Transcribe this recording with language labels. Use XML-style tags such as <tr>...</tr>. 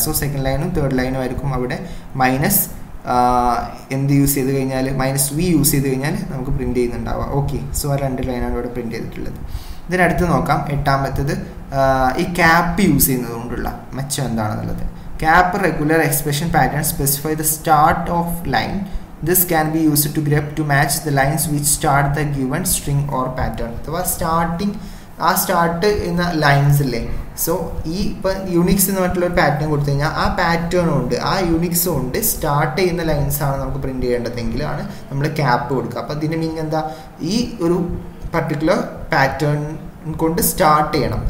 <ml>So second ലൈനും third ലൈനും ആയിരിക്കും അവിടെ മൈനസ് എന്ത് യൂസ് ചെയ്ത് കഴിഞ്ഞാൽ, മൈനസ് വി യൂസ് ചെയ്ത് കഴിഞ്ഞാൽ നമുക്ക് പ്രിൻ്റ് ചെയ്യുന്നുണ്ടാവുക. ഓക്കെ, സോ ആ രണ്ട് ലൈനാണ് ഇവിടെ പ്രിൻ്റ് ചെയ്തിട്ടുള്ളത്. ഇതിനടുത്ത് നോക്കാം എട്ടാമത്തത്, ഈ ക്യാപ്പ് യൂസ് ചെയ്യുന്നത് കൊണ്ടുള്ള മെച്ചം എന്താണെന്നുള്ളത്. Cap</ml> <en>Regular expression pattern specify the start of line This can be used to grep to match the lines which start the given string or pattern.</en> <ml>So, starting ആ start എന്ന lines അല്ലേ. So ഈ ഇപ്പൊ Unix എന്ന് പറഞ്ഞിട്ടുള്ള ഒരു pattern കൊടുത്തു കഴിഞ്ഞാൽ ആ പാറ്റേണും ഉണ്ട് ആ യുണിക്സും ഉണ്ട് സ്റ്റാർട്ട് ചെയ്യുന്ന ലൈൻസാണ് നമുക്ക് പ്രിന്റ് ചെയ്യേണ്ടതെങ്കിലാണ് നമ്മൾ ക്യാപ്പ് കൊടുക്കുക. അപ്പൊ ഇതിന് മീനിങ് എന്താ, ഈ ഒരു പർട്ടിക്കുലർ പാറ്റേൺ കൊണ്ട് സ്റ്റാർട്ട് ചെയ്യണം.</ml>